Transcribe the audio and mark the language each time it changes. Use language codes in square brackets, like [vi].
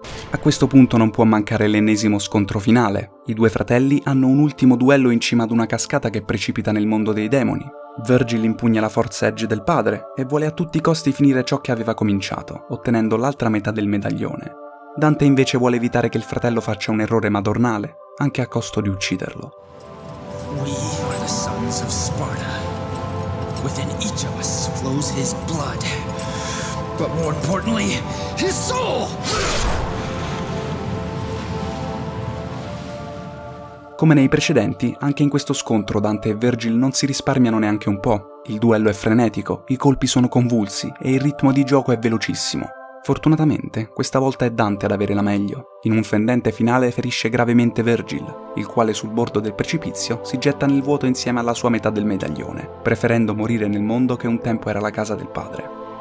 [it] A questo punto non può mancare l'ennesimo scontro finale. I due fratelli hanno un ultimo duello in cima ad una cascata che precipita nel mondo dei demoni. Virgil impugna la Force Edge del padre e vuole a tutti i costi finire ciò che aveva cominciato, ottenendo l'altra metà del medaglione. Dante invece vuole evitare che il fratello faccia un errore madornale, anche a costo di ucciderlo. [en] We are the sons of Sparta. Within each of us flows his blood. But more importantly, his soul! [it] Come nei precedenti, anche in questo scontro Dante e Virgil non si risparmiano neanche un po'. Il duello è frenetico, i colpi sono convulsi e il ritmo di gioco è velocissimo. Fortunatamente, questa volta è Dante ad avere la meglio. In un fendente finale ferisce gravemente Virgil, il quale sul bordo del precipizio si getta nel vuoto insieme alla sua metà del medaglione, preferendo morire nel mondo che un tempo era la casa del padre.